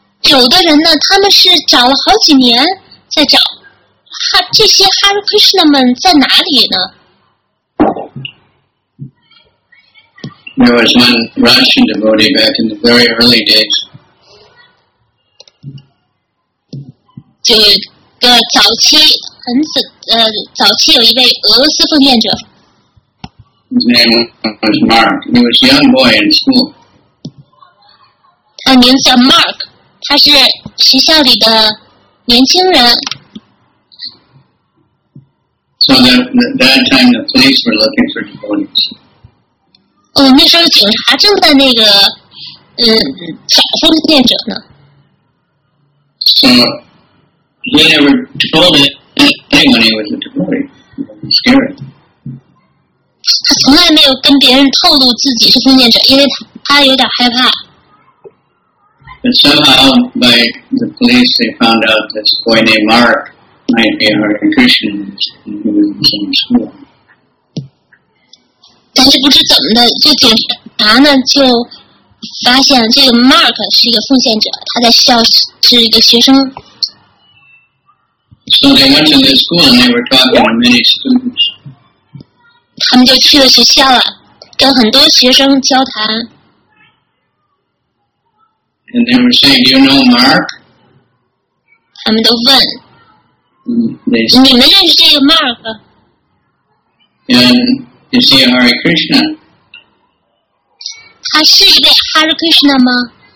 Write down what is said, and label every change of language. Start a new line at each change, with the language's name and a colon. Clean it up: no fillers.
Chinese: 有的人呢，他们是找了好几年在找，这些 Hare Krishna 们在哪里呢？
English: There was one Russian devotee back in the very early days.
Chinese: 就的早期很早期有一位俄罗斯奉献者。
English: His name was Mark. He was a young boy in school.
Chinese: 他名字叫 Mark. 他是学校里的年轻人。
English: So that time the police were looking for devotees.
Chinese: 那时候警察正在那个找奉献者呢。
English: So, he never told anyone he was a devotee. Scary.
Chinese: 他从来没有跟别人透露自己是奉献者，因为他有点害怕。
English: But somehow, by the police, they found out this boy named Mark might be a Hare Krishna and he was in some school.
Chinese: 但是不知怎么的，就警察呢就发现这个 Mark 是一个奉献者，他在学校是一个学生。
English: So they went to the school and they were talking to many students.
Chinese: 他们就去了学校了，跟很多学生交谈。
English: And they were saying, "Do you know Mark?"
Chinese: 他们都问。你们认识这个 Mark?
English: And Is he a Hare Krishna?
Chinese: 他是一位 Hare Krishna 吗？